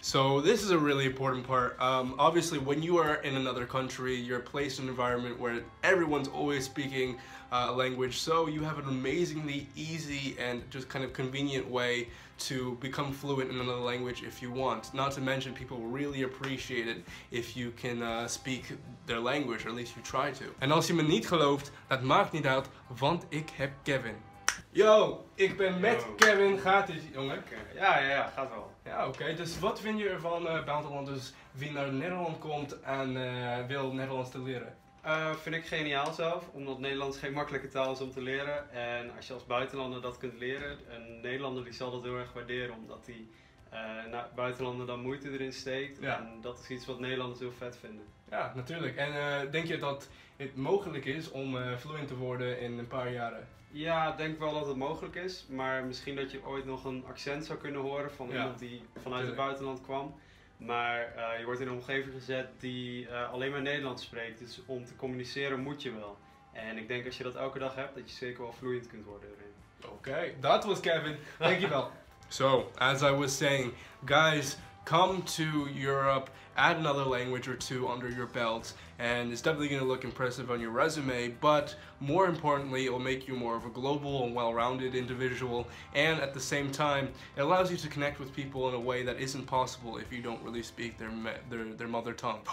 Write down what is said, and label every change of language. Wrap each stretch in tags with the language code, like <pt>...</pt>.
<en>So this is a really important part. Obviously, when you are in another country, you're placed in an environment where everyone's always speaking a language, so you have an amazingly easy and just kind of convenient way to become fluent in another language if you want. Not to mention, people really appreciate it if you can speak their language, or at least you try to.</en> <nl>And als je me niet gelooft, dat maakt niet uit, want ik heb Kevin. Yo, ik ben met Yo. Kevin. Gaat het, jongen? Okay. Ja, gaat wel. Ja, oké. Dus wat vind je ervan, buitenlanders, wie naar Nederland komt en wil Nederlands te leren? Vind ik geniaal zelf, omdat Nederlands geen makkelijke taal is om te leren. En als je als buitenlander dat kunt leren, een Nederlander die zal dat heel erg waarderen, omdat die naar buitenlander dan moeite erin steekt. Ja. En dat is iets wat Nederlanders heel vet vinden. Ja, natuurlijk. En denk je dat het mogelijk is om fluent te worden in een paar jaren? Ja, ik denk wel dat het mogelijk is, maar misschien dat je ooit nog een accent zou kunnen horen van iemand die vanuit het buitenland kwam. Maar je wordt in een omgeving gezet die alleen maar Nederlands spreekt, dus om te communiceren moet je wel. En ik denk als je dat elke dag hebt, dat je zeker wel vloeiend kunt worden erin. Oké, dat was Kevin. Dankjewel.</nl> <en>So, as I was saying, guys, come to Europe, add another language or two under your belt, and it's definitely going to look impressive on your resume, but more importantly, it will make you more of a global and well-rounded individual, and at the same time, it allows you to connect with people in a way that isn't possible if you don't really speak their mother tongue.</en>